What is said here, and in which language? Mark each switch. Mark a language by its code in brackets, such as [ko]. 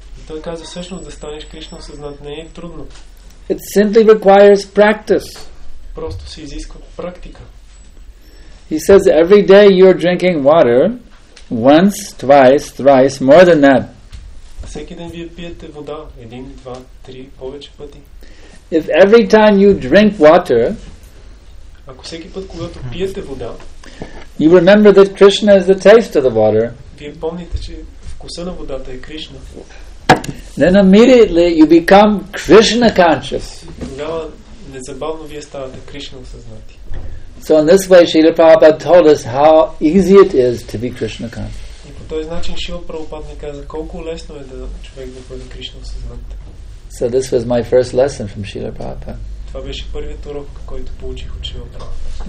[bg] Той каза, всъщност да станеш Кришна осъзнат не е трудно. [en] It simply requires practice. [bg] Просто се изисква практика. [en] He says every day you're drinking water once, twice, thrice, more than that. [bg] Всеки ден вие пиете вода един, два, три, повече пъти. [en] If every time you drink water, [bg] ако всеки път когато пиете вода, [en] you remember that Krishna is the taste of the water. [bg] Вие помните, че вкуса на водата е Кришна. [en] Then immediately you become Krishna conscious. [bg] Тогава незабавно вие ставате Кришна осъзнати. [en] So in this way Srila Prabhupada told us how easy it is to be Krishna conscious. [bg] И по този начин Шрила Прабхупад ни каза колко лесно е да човек да бъде Кришна осъзнат. [en] So this was my first lesson from Srila Prabhupada. [bg] Това беше първият урок, който получих от Шрила Прабхупад.